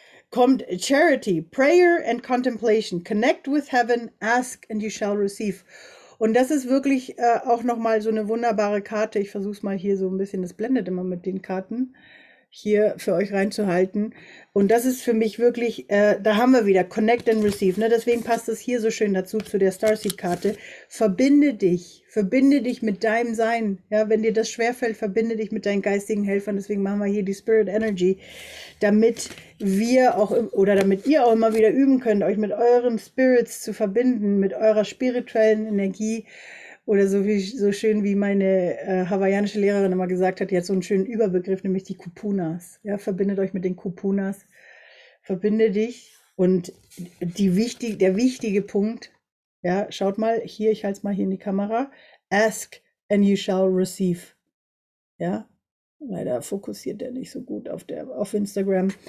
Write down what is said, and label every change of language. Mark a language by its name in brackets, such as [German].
[German] Kommt [English] Charity, Prayer and Contemplation, connect with heaven, ask and you shall receive. [German] Und das ist wirklich auch nochmal so eine wunderbare Karte. Ich versuche es mal hier so ein bisschen, das blendet immer mit den Karten, hier für euch reinzuhalten. Und das ist für mich wirklich, da haben wir wieder [English] Connect and Receive. [German] Ne? Deswegen passt es hier so schön dazu, zu der Starseed-Karte. Verbinde dich mit deinem Sein. Ja, wenn dir das schwerfällt, verbinde dich mit deinen geistigen Helfern. Deswegen machen wir hier die Spirit Energy, damit wir auch, oder damit ihr auch immer wieder üben könnt, euch mit euren Spirits zu verbinden, mit eurer spirituellen Energie. Oder so schön, wie meine hawaiianische Lehrerin immer gesagt hat, die hat so einen schönen Überbegriff, nämlich die Kupunas. Ja, verbindet euch mit den Kupunas. Verbinde dich. Und der wichtige Punkt, ja, schaut mal hier, ich halte es mal hier in die Kamera. [English] Ask and you shall receive. [German] Ja, leider fokussiert der nicht so gut auf Instagram.